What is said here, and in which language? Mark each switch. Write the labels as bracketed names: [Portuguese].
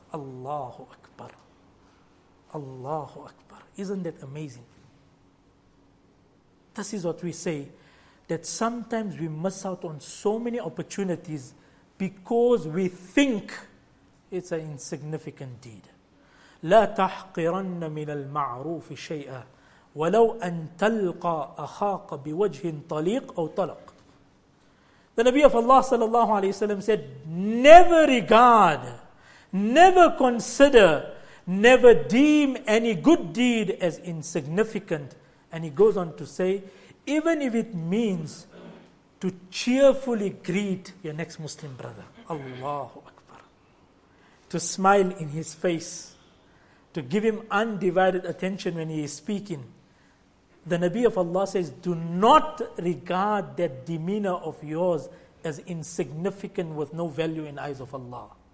[English] Allahu Akbar. Allahu Akbar. Isn't that amazing? This is what we say, that sometimes we miss out on so many opportunities because we think It's an insignificant deed. [Arabic] لا تحقرن من المعروف شيئا ولو أن تلقى أخاك بوجه طليق أو طلق. [English] The Nabi of Allah sallallahu alayhi wa sallam said, never regard, never consider, never deem any good deed as insignificant. And he goes on to say, even if it means to cheerfully greet your next Muslim brother, Allahu Akbar, to smile in his face, to give him undivided attention when he is speaking, the Nabi of Allah says, do not regard that demeanor of yours as insignificant with no value in eyes of Allah.